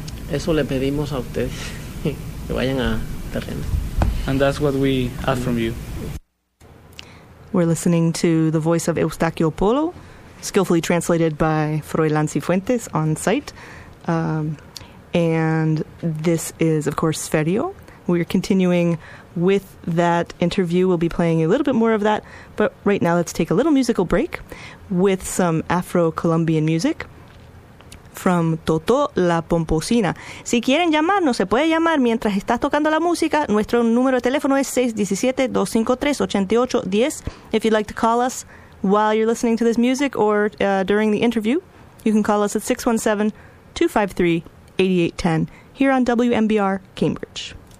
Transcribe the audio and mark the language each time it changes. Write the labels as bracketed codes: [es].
[es] Eso le pedimos a ustedes, que vayan a terreno. [en] And that's what we ask from you. We're listening to the voice of Eustaquio Polo, skillfully translated by Froilán Cifuentes on site. And this is, of course, Sferio. We're continuing with that interview. We'll be playing a little bit more of that. But right now, let's take a little musical break with some Afro-Colombian music from Toto La Pomposina. [es] Si quieren llamarnos, se puede llamar mientras estás tocando la música. Nuestro número de teléfono es 617-253-8810. [en] If you'd like to call us while you're listening to this music or during the interview, you can call us at 617-253-8810 here on WMBR Cambridge.